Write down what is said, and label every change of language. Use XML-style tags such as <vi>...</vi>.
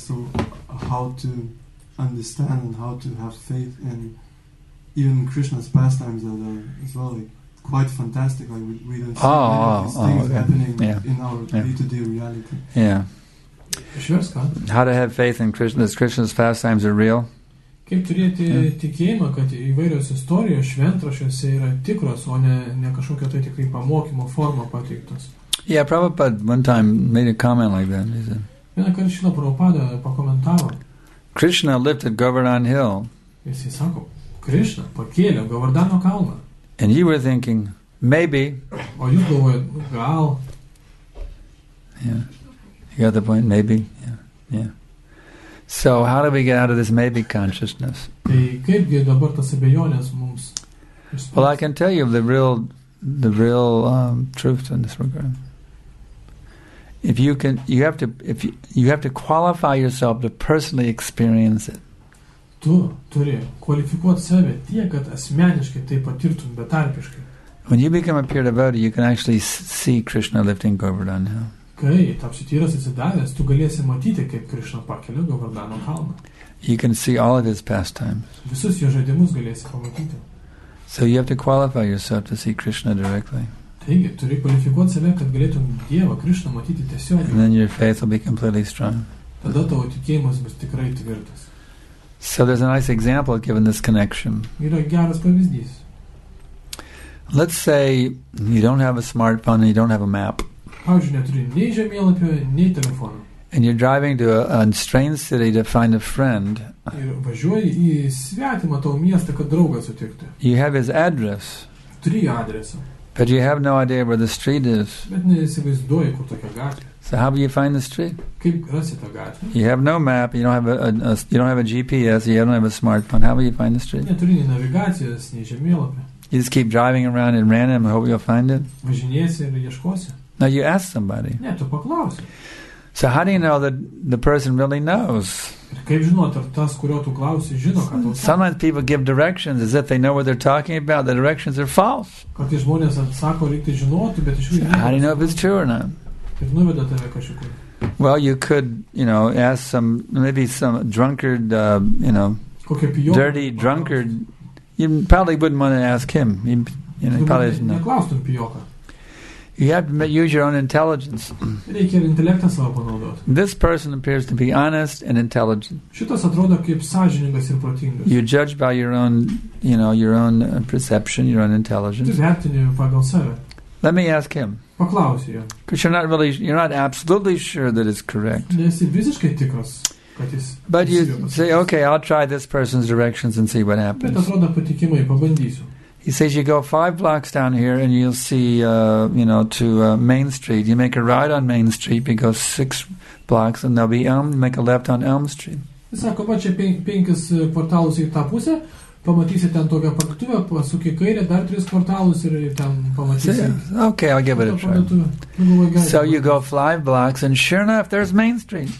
<en>So how to understand and how to have faith in even Krishna's pastimes that are as well like quite fantastic, like we don't see happening in our day-to-day reality. Yeah. Sure, Scott. How to have faith in Krishna's pastimes are real.</en> <lt>Kaip turėti tikėjimą, kad įvairios istorijos šventrašiuose yra tikros, o ne kažkokio tai tikrai pamokymo forma pateiktos.</lt> <en>Yeah, Prabhupada one time made a comment like that, he said.</en> <lt>Vieną kartą šilo Prabhupada pakomentavo.</lt> <en>Krishna lifted Govardhan Hill.</en> <lt>Jis sako, Krishna pakėlė Govardhano kalną.</lt> <en>And you were thinking, maybe.</en> <lt>O jūs galvojat, gal.</lt> <en>Yeah, you got the point, maybe, yeah. So how do we get out of this maybe consciousness? Well, I can tell you the real truth in this regard. If you have to qualify yourself to personally experience it.</en> <lt>Tu turi kvalifikuoti save tiek, kad asmeniškai tai patirtum betarpiškai.</lt> <en>When you become a pure devotee, you can actually see Krishna lifting Govardhan Hill.</en> <lt>Kai tapsi tyras atsidavęs, tu galėsi matyti, kaip Krishna pakelia Govardhano kalną.</lt> <en>You can see all of his pastimes.</en> <lt>Visus jo žaidimus galėsi pamatyti.</lt> <en>So you have to qualify yourself to see Krishna directly.</en> <lt>Taigi, turi kvalifikuoti save, kad galėtum Dievą Krishna matyti tiesiogiai.</lt> <en>And then your faith will be completely strong.</en> <lt>Tada tavo tikėjimas bus tikrai tvirtas.</lt> <en>So there's a nice example given this connection.</en> <lt>Yra geras pavyzdys.</lt> <en>Let's say you don't have a smartphone and you don't have a map.</en> <lt>Pavyzdžiui, neturi nei žemėlapio, nei telefono.</lt> <en>And you're driving to a strange city to find a friend.</en> <lt>Ir važiuoji į svetimą tavo miestą, kad draugą sutikti.</lt> <en>You have his address.</en> <lt>Turi adresą.</lt> <en>But you have no idea where the street is.</en> <lt>Bet neįsivaizduoji, kur tokia gatvė.</lt> <en>So how do you find the street?</en> <lt>Kaip rasi tą gatvę?</lt> <en>You have no map, you don't have a GPS, you don't have a smartphone. How do you find the street?</en> <lt>Neturi nei navigacijos, nei žemėlapio.</lt> <en>You just keep driving around in random and hope you'll find it?</en> <lt>Važinėsi ir ieškosi.</lt> <en>Now you ask somebody.</en> <lt>Ne, tu paklausi.</lt> <en>So how do you know that the person really knows?</en> <lt>Ir kaip žinot, ar tas, kurio tu klausi, žino, ką tu sakai?</lt> <en>Sometimes people give directions as if they know what they're talking about. The directions are false.</en> <lt>Kartais žmonės atsako, reikti žinoti, bet iš jų nėra.</lt> <en>How do you know if it's true or not?</en> <lt>Ir nuveda tave kažkur.</lt> <en>Well, you could, you know, ask some, maybe some drunkard, you know,</en> <lt>kokia pijoka,</lt> <en>dirty drunkard. You probably wouldn't want to ask him. You probably doesn't know.</en> <lt>Neklaustum pijoka.</lt> <en>You have to use your own intelligence.</en> <lt>Reikia ir intelektą savo panaudoti.</lt> <en>This person appears to be honest and intelligent.</en> <lt>Šitas atrodo kaip sąžiningas ir protingas.</lt> <en>You judge by your own, you know, your own perception, your own intelligence.</en> <lt>Tu vertini pagal save.</lt> <en>Let me ask him.</en> <lt>Paklausi jo.</lt> <en>Because you're not absolutely sure that it's correct.</en> <lt>Nesi visiškai tikras, kad jis.</lt> <en>But you say, okay, I'll try this person's directions and see what happens.</en> <lt>Bet atrodo patikimai, pabandysiu.</lt> <en>He says you go five blocks down here and you'll see, Main Street. You make a right on Main Street, you go six blocks and there'll be Elm, make a left on Elm Street.</en> <lt>Jis sako, va čia penkis kvartalus į tą pusę, pamatysi ten tokią parduotuvę, pasuki į kairę, dar tris kvartalus ir ten pamatysi.</lt> <en>See, okay, I'll give it a try. So you go five blocks and sure enough, there's Main Street.</en>